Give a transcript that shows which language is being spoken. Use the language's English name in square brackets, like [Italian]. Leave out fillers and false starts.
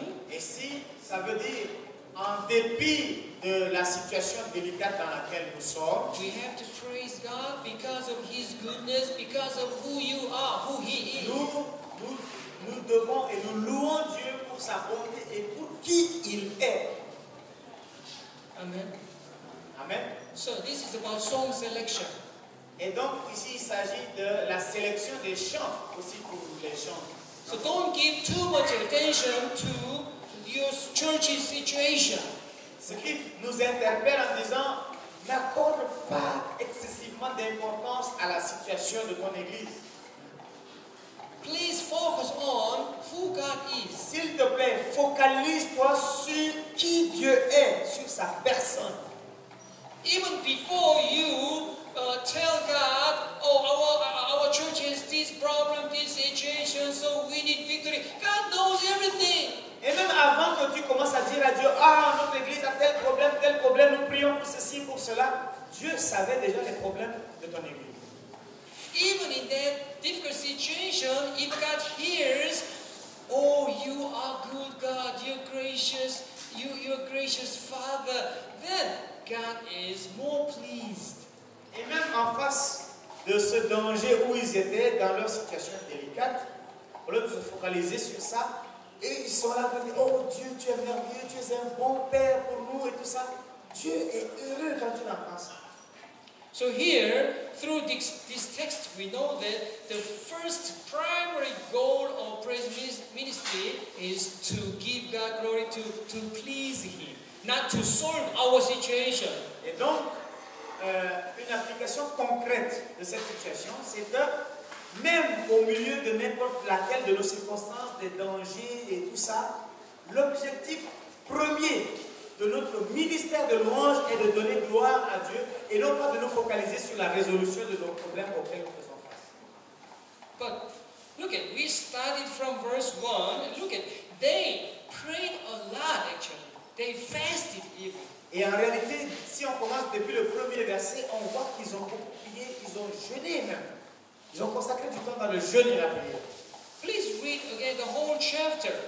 [French] et si ça veut dire en dépit de la situation délicate dans laquelle nous sommes, [English] we have to praise God because of his goodness, because of who you are, who he is. [French] Nous devons et nous louons Dieu pour sa bonté et pour qui il est. Amen. Amen. [English] So this is about song selection. [French] Et donc ici il s'agit de la sélection des chants aussi pour les chants. [English] So don't give too much attention to your church's situation. [French] Ce qui nous interpelle en disant, n'accorde pas excessivement d'importance à la situation de ton église. [English] Please focus on who God is. [French] S'il te plaît, focalise-toi sur qui Dieu est, sur sa personne. [English] Even before you tell God, oh, our church has this problem, this situation, so we need victory. God knows everything. [French] Et même avant que tu commences à dire à Dieu, ah, notre église a tel problème, nous prions pour ceci, pour cela, Dieu savait déjà les problèmes de ton église. [English] Even in that difficult situation, if God hears, oh, you are good God, you're gracious, you're gracious Father, then God is more pleased. [French] Et même en face de ce danger où ils étaient dans leur situation délicate, au lieu de se focaliser sur ça, et ils sont là pour dire, oh Dieu, tu es merveilleux, tu es un bon père pour nous et tout ça. Dieu est heureux quand tu n'en penses pas. [English] So here, through this text, we know that the first primary goal of praise ministry is to give God glory, to please him, not to solve our situation. [French] Et donc, une application concrète de cette situation, c'est de, même au milieu de n'importe laquelle de nos circonstances, des dangers et tout ça, l'objectif premier de notre ministère de louange est de donner gloire à Dieu et non pas de nous focaliser sur la résolution de nos problèmes auxquels nous faisons face. [English] But look at, we started from verse 1. Look at, they prayed a lot actually. They fasted even. [French] Et en réalité, si on commence depuis le premier verset, on voit qu'ils ont beaucoup prié, ils ont jeûné même. Ils ont consacré du temps dans le jeûne et la prière. [English] Please read again the whole chapter.